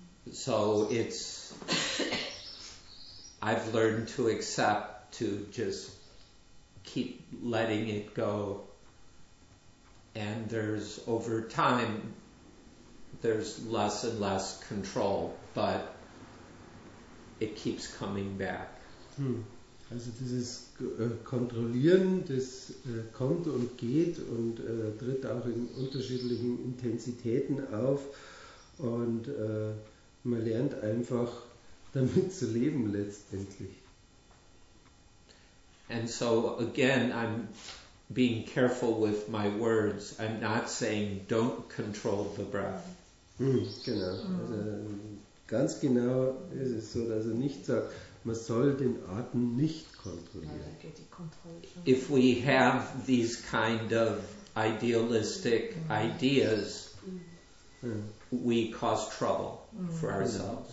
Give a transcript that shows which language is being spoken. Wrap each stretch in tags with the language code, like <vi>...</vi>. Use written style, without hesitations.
<en>So it's, I've learned to accept, to just keep letting it go. And there's, over time, there's less and less control, but it keeps coming back.</en> <de>Also dieses Kontrollieren, das kommt und geht und tritt auch in unterschiedlichen Intensitäten auf und man lernt einfach damit zu leben letztendlich.</de> <en>And so again, I'm being careful with my words. I'm not saying don't control the breath.</en> <de>Genau. Also, ganz genau ist es so, dass er nicht sagt, man soll den Atem nicht kontrollieren.</de> <en>If we have these kind of idealistic ideas, we cause trouble for ourselves.</en>